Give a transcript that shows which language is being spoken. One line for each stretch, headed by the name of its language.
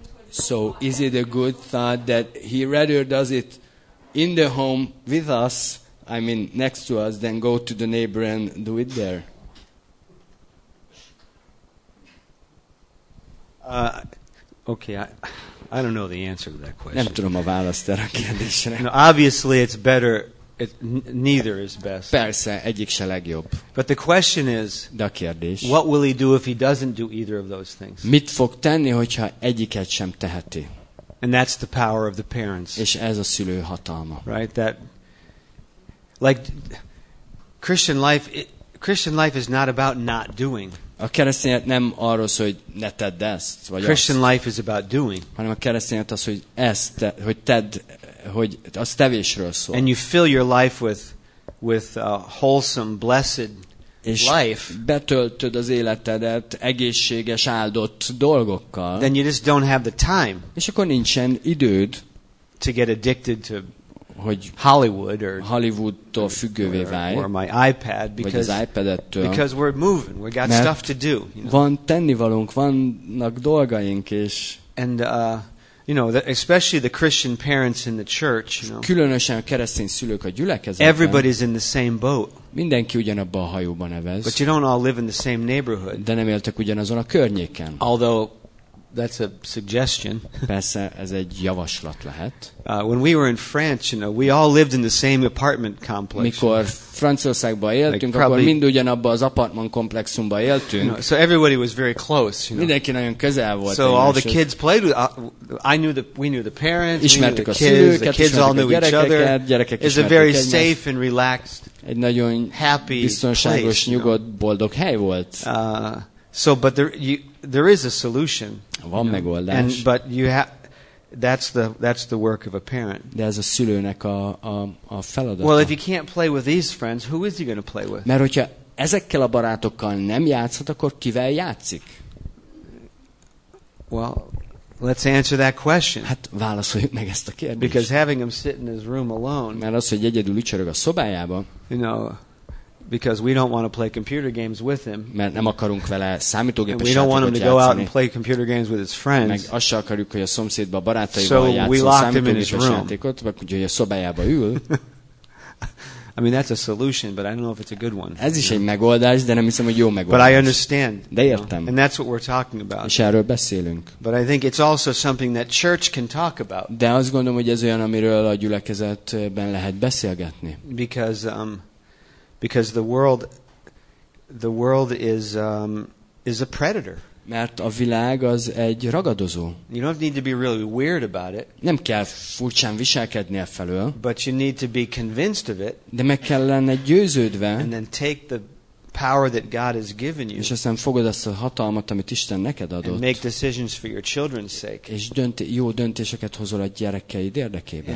English: So is it a good thought that he rather does it in the home with us, I mean next to us, than go to the neighbor and do it there? Okay, I don't know the answer to that question.
Hungarian: Nem tudom a választ erre a kérdésre.
English: No, obviously it's better, neither is best.
Hungarian: Persze, egyik se legjobb.
English: But the question is,
Hungarian: de a kérdés,
English: what will he do if he doesn't do either of those things?
Hungarian: Mit fog tenni, hogyha egyiket sem teheti?
English: And that's the power of the parents.
Hungarian: És ez a szülő hatalma.
English: Right, that, like, Christian life is not about not doing.
Hungarian: A keresztényet nem arról szól, hogy ne tedd ezt, vagy
English: Christian
Hungarian: azt,
English: life is about doing.
Hungarian: Hanem a keresztényet az, hogy ezt, hogy tedd, hogy az tevésről szól.
English: And you fill your life with a wholesome, blessed life.
Hungarian: Betöltöd az életedet egészséges, áldott dolgokkal.
English: Then you just don't have the time.
Hungarian: És akkor nincsen időd,
English: to get addicted to
Hungarian: hogy
English: Hollywood or
Hungarian: Hollywoodtól függővé válj,
English: or my iPad because we're moving, we got stuff to do. You
Hungarian: know? Van tennivalónk, vannak dolgaink is.
English: And you know, especially the Christian parents in the church. You know,
Hungarian: különösen a keresztény szülők a gyülekezetben.
English: Everybody's in the same boat.
Hungarian: Mindenki ugyanabban a hajóban nevez.
English: But you don't all live in the same neighborhood.
Hungarian: De nem éltek ugyanazon a környéken.
English: Although that's a suggestion.
Hungarian: Persze, ez egy javaslat lehet.
English: When we were in France, you know, we all lived in the same apartment complex.
Hungarian: Mikor Franciaországban éltünk,
English: like probably,
Hungarian: akkor mind ugyanabban az apartman komplexumban éltünk.
English: You know, so everybody was very close. You know?
Hungarian: Mindenki nagyon közel volt.
English: So all the kids played with. We knew the parents.
Hungarian: Ismertük
English: we knew the kids.
Hungarian: Szülőket,
English: the kids all knew each other.
Hungarian: Gyerekek is.
English: It's a very safe and relaxed.
Hungarian: Egy nagyon
English: happy,
Hungarian: biztonságos,
English: place,
Hungarian: nyugodt,
English: you know?
Hungarian: Boldog hely volt.
English: So, but there you. there is a solution.
Hungarian: Van megoldás.
English: And but you have that's the work of a parent.
Hungarian: De ez a szülőnek a feladata.
English: Well, if you can't play with these friends, who is he going to play with?
Hungarian: Mert hogyha ezekkel a barátokkal nem játszhat, akkor kivel játszik?
English: Well, let's answer that question.
Hungarian: Hát válaszoljuk meg ezt a kérdést.
English: Because having him sit in his room alone.
Hungarian: Mert az, hogy egyedül ücsörög a szobájában.
English: You know, because we don't want to play computer games with him.
Hungarian: Mert nem akarunk vele számítógépes játékot játszani.
English: We don't want him to go out and play computer games with his friends.
Hungarian: Meg azt se akarjuk, hogy a szomszédba barátaival játszon számítógépes játékot, a szobájában ül.
English: I mean, that's a solution, but I don't know if it's a good one.
Hungarian: Ez is egy megoldás, de nem hiszem, hogy jó megoldás.
English: But I understand.
Hungarian: De értem.
English: And that's what we're talking about.
Hungarian: És erről beszélünk.
English: But I think it's also something that church can talk about.
Hungarian: De azt gondolom, hogy ez olyan, amiről a gyülekezetben lehet beszélgetni.
English: Because the world is a predator.
Hungarian: Mert a világ az egy ragadozó.
English: You don't need to be really weird about it.
Hungarian: Nem kell furcsán viselkedni e felől.
English: But you need to be convinced of it.
Hungarian: De meg kell lenned győződve.
English: And then take the power that God has given you.
Hungarian: És aztán fogod azt a hatalmat, amit Isten neked adott.
English: And make decisions for your children's sake.
Hungarian: És jó döntéseket hozol a gyerekeid érdekében.